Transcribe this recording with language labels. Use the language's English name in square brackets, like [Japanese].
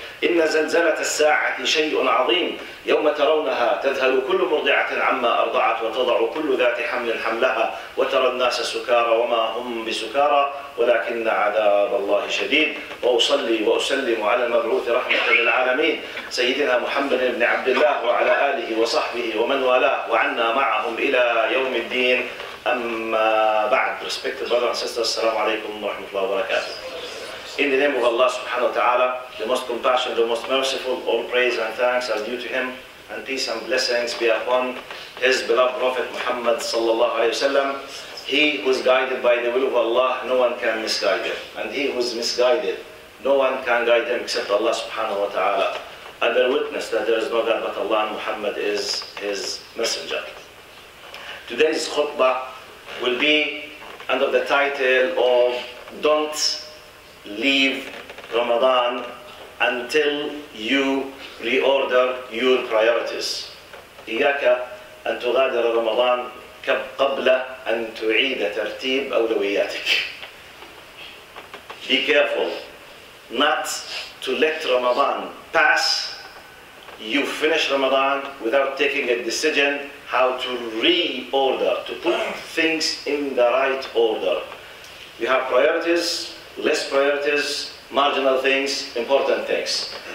[Arabic] إن زلزلة الساعة شيء عظيم يوم ترونها تذهل كل مرضعة عما أرضعت وتضع كل ذات حمل حملها وترى الناس سكارى وما هم بسكارى ولكن عذاب الله شديد وأصلي وأسلم على المبعوث رحمة للعالمين سيدنا محمد بن عبد الله وعلى آله وصحبه ومن والاه وعنا معهم إلى يوم الدين أما بعد [English] respected brothers and sisters [Arabic] السلام عليكم ورحمة الله وبركاته [English] In the name of Allah subhanahu wa ta'ala, the most compassionate, the most merciful, all praise and thanks are due to him, and peace and blessings be upon his beloved Prophet Muhammad sallallahu alayhi wa sallam. He who is guided by the will of Allah, no one can misguide him. And he who is misguided, no one can guide him except Allah subhanahu wa ta'ala. I bear witness that there is no God but Allah and Muhammad is his messenger. Today's khutbah will be under the title of Don't Leave Ramadan until you reorder your priorities. [Arabic] إياك أن تغادر رمضان قبل أن تعيد ترتيب أولوياتك. [English] Be careful not to let Ramadan pass. You finish Ramadan without taking a decision how to reorder, to put things in the right order. You have priorities. Less priorities, marginal things, important things.